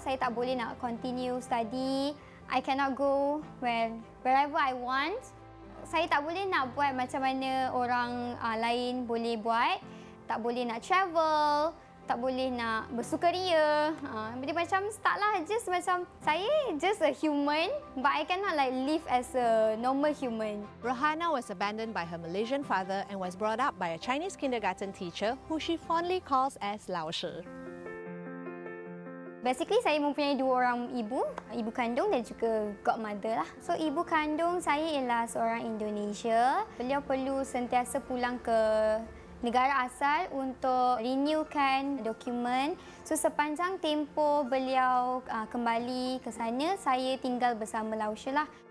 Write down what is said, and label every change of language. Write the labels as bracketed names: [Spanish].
[Malay] Saya tak boleh nak continue study. [English] I cannot go wherever I want. [Malay] Saya tak boleh nak buat macam mana orang lain boleh buat. Tak boleh nak travel, tak boleh nak bersukaria. Jadi macam taklah, just macam saya [English] just a human, but I cannot like live as a normal human. Rohana was abandoned by her Malaysian father and was brought up by a Chinese kindergarten teacher who she fondly calls as Laoshi. [Malay] Basically, saya mempunyai dua orang ibu, ibu kandung dan juga godmother lah. So, ibu kandung saya ialah seorang Indonesia. Beliau perlu sentiasa pulang ke negara asal untuk renewkan dokumen. So, sepanjang tempoh beliau kembali ke sana, saya tinggal bersama Laosha lah.